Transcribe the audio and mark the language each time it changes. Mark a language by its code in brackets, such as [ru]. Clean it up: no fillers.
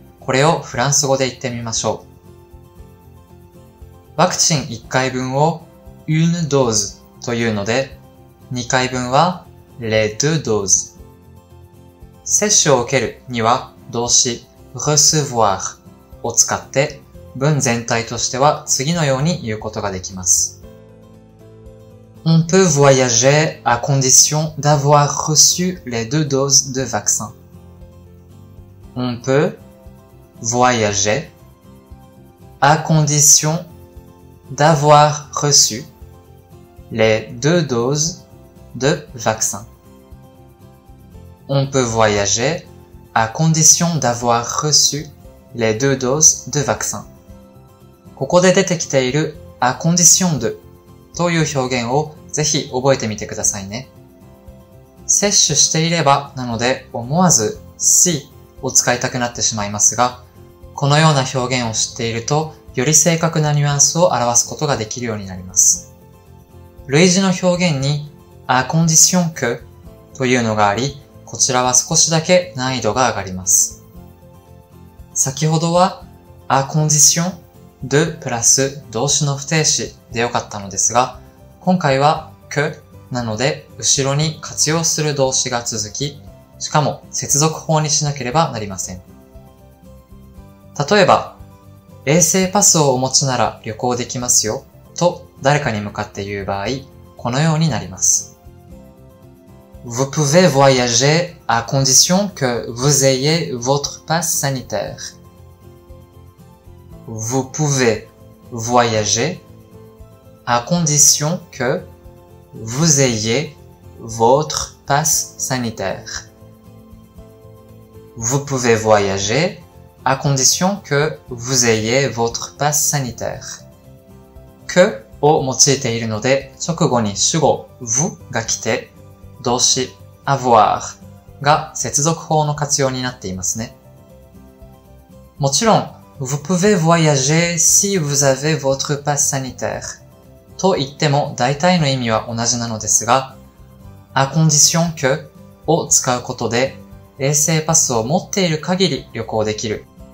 [ja] これをフランス語で言ってみましょう。ワクチン1回分を [fr] une dose [ja] というので、2回分は [fr] les deux doses。 [ja] 接種を受けるには動詞 recevoir を使って、文全体としては次のように言うことができます。 [fr] On peut voyager à condition d'avoir reçu les deux doses de vaccin. On peut voyager à condition d'avoir reçu les deux doses de vaccin. On peut voyager à condition d'avoir reçu les deux doses de vaccin. [ja] ここで出てきている [fr] à condition de [ja] という表現をぜひ覚えてみてくださいね。接種していればなので思わず si を使いたくなってしまいますが、このような表現を知っているとより正確なニュアンスを表すことができるようになります。類似の表現に [fr] à condition que [ja] というのがあり、こちらは少しだけ難易度が上がります。先ほどは [fr] à condition de [ja] プラス動詞の不定詞でよかったのですが、今回は que なので後ろに活用する動詞が続き、しかも接続法にしなければなりません。例えば、衛生パスをお持ちなら旅行できますよと誰かに向かって言う場合、このようになります。 [fr] Vous pouvez voyager à condition que vous ayez votre passe sanitaire. Vous pouvez voyager à condition que vous ayez votre passe sanitaire. Vous pouvez voyager à condition que vous ayez votre passe sanitaire. [ja] Que を用いているので、直後に主語 vous が来て、動詞 avoir が接続法の活用になっていますね。もちろん、 [fr] vous pouvez voyager si vous avez votre passe sanitaire [ja] と言っても大体の意味は同じなのですが、 [fr] à condition que [ja] を使うことで、衛生パスを持っている限り旅行できる。